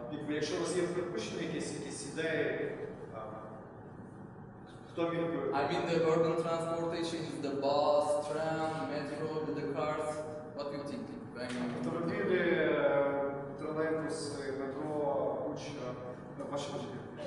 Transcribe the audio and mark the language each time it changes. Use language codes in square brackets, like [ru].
[uk] Якщо у вас є припущення, якісь ідеї, [en] I mean the urban transportation is the bus, tram, metro, the cars. What do you think? [uk] Автомобілі, тролейбуси, метро, куча, ваші важливі.